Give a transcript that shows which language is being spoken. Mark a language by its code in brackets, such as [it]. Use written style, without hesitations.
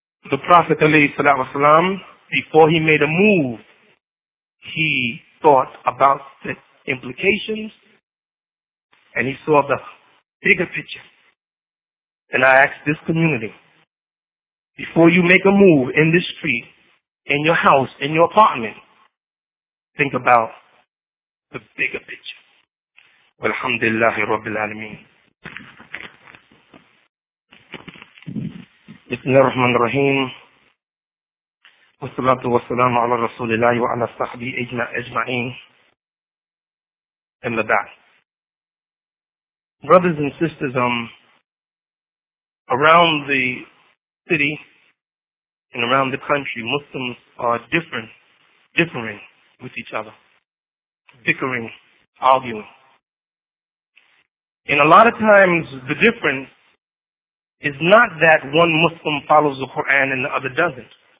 [en] The Prophet والسلام, before he made a move, he thought about the implications and he saw the bigger picture. And I ask this community, before you make a move in this street, in your house, in your apartment, think about the bigger picture. [ar] والحمد لله رب العالمين بسم الله الرحمن الرحيم والصلاة والسلام على رسول الله وعلى صحبه أجمعين أما بعد [en] Brothers and sisters, around the city and around the country, Muslims are differing with each other, bickering, arguing. And a lot of times the difference is not that one Muslim follows the Quran and the other doesn't.